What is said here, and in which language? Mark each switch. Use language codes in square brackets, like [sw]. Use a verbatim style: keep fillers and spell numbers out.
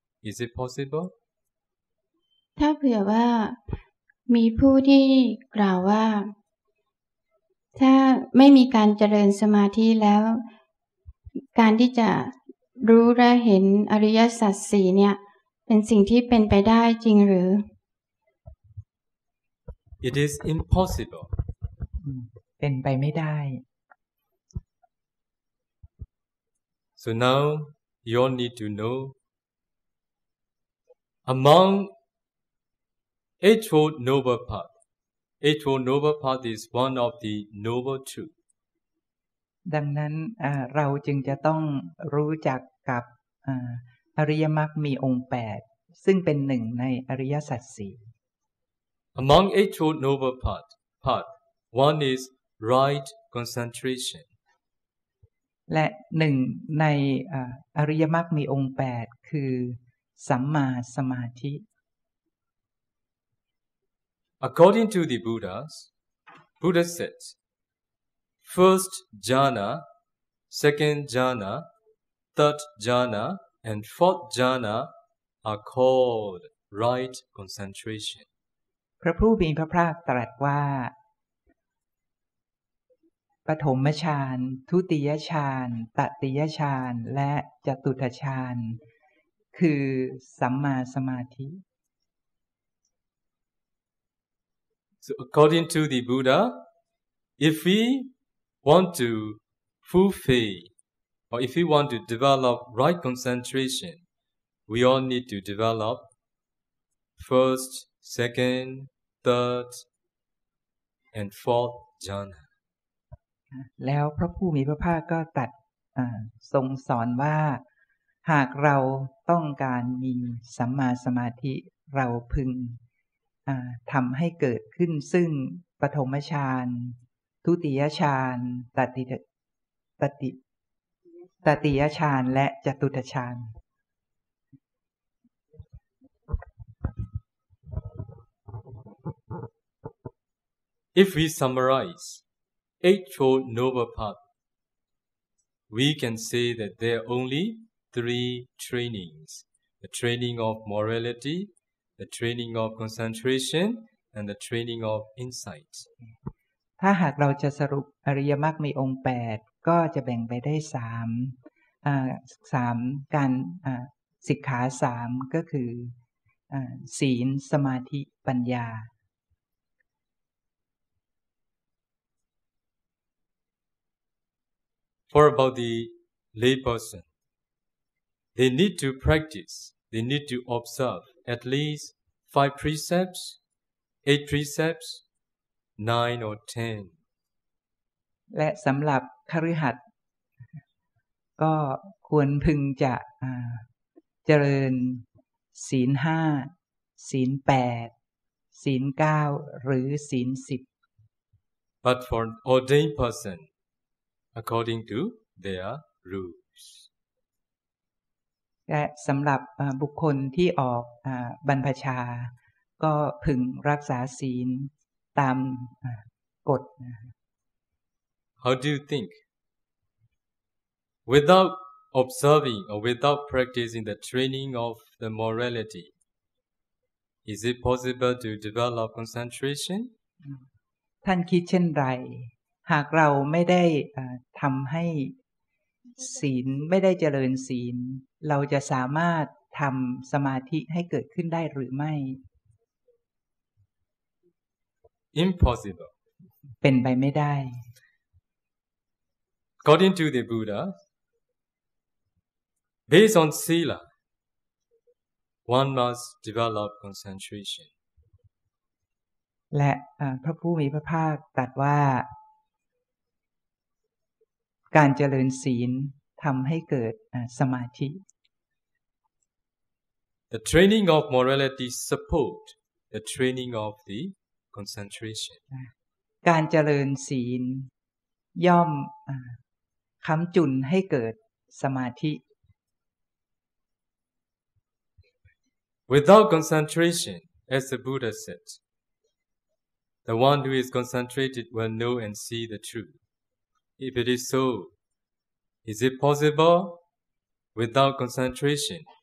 [en] Is it possible? [th] ถ้าเผื่อว่ามีผู้ที่กล่าวว่าถ้าไม่มีการเจริญสมาธิแล้วการที่จะรู้และเห็นอริยสัจสี่เนี่ยเป็นสิ่งที่เป็นไปได้จริงหรือ [en] It is impossible. [th] เป็นไปไม่ได้ [en] So now you all need to know among Eightfold Noble Path. Eightfold Noble Path is one of the noble truth. [th] ดังนั้นเราจึงจะต้องรู้จักกับอริยมรรคมีองค์แปดซึ่งเป็นหนึ่งในอริยสัจสี่ [en] Among Eightfold Noble Path, path, one is right concentration. [th] และหนึ่งในอริยมรรคมีองค์แปดคือสัมมาสมาธิ [en] According to the Buddhas, Buddha said, first jhana, second jhana, third jhana, and fourth jhana are called right concentration. [th] พระผู้มีพระภาคตรัสว่าปฐมฌานทุติยฌานตติยฌานและจตุตถฌานคือสัมมาสมาธิ [en] So according to the Buddha, if we want to fulfill, or if we want to develop right concentration, we all need to develop first, second, third, and fourth jhana. [th] แล้วพระผู้มีพระภาคก็ตรัสทรงสอนว่าหากเราต้องการมีสัมมาสมาธิเราพึงทำให้เกิดขึ้นซึ่งปฐมฌานทุติยฌานตติตติตติยฌานและจตุตถฌาน [en] If we summarize Eightfold Noble Path, we can say that there are only three trainings: the training of morality. The training of concentration and the training of insight. [th] ถ้าหากเราจะสรุปอริยมรรคมีองค์แปดก็จะแบ่งไปได้สามอ่าสามการอ่าสิกขาสามก็คืออ่าศีลสมาธิปัญญา [en] For about the lay person, they need to practice. They need to observe at least five precepts, eight precepts, nine or ten. [th] และสำหรับคฤหัสถ์ก็ควรพึงจะเจริญศีลห้าศีลแปดศีลเก้าหรือศีลสิบ [en] But for an ordained person, according to their rules. [th] และสำหรับบุคคลที่ออกบรรพชาก็พึงรักษาศีลตามกฎ [en] How do you think? Without observing or without practicing the training of the morality, is it possible to develop concentration? [th] ท่านคิดเช่นไรหากเราไม่ได้ทำให้ศีลไม่ได้เจริญศีลเราจะสามารถทำสมาธิให้เกิดขึ้นได้หรือไม่ [en] Impossible [th] เป็นไปไม่ได้ [en] According to the Buddha, based on sila, one must develop concentration. [th] และพระผู้มีพระภาคตรัสว่าการเจริญศีลทำให้เกิดสมาธิ [en] The training of morality support the training of the concentration. [th] การเจริญศีลย่อมค้ำจุนให้เกิดสมาธิ [en] Without concentration, as the Buddha said, the one who is concentrated will know and see the truth. If it is so, is it possible without concentration?